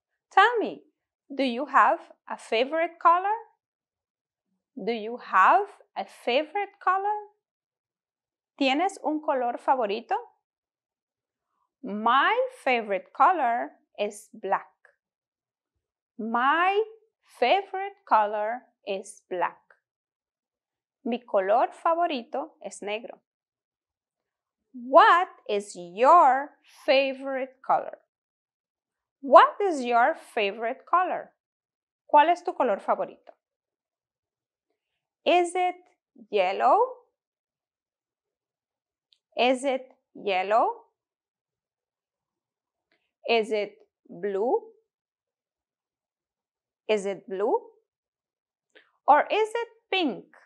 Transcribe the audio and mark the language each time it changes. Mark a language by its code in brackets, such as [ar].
[en] Tell me, do you have a favorite color? Do you have a favorite color? [es] ¿Tienes un color favorito? [en] My favorite color is black. My favorite color is black. [es] Mi color favorito es negro. [en] What is your favorite color? What is your favorite color? [es] ¿Cuál es tu color favorito? [en] Is it yellow? Is it yellow? Is it blue? Is it blue? Or is it pink?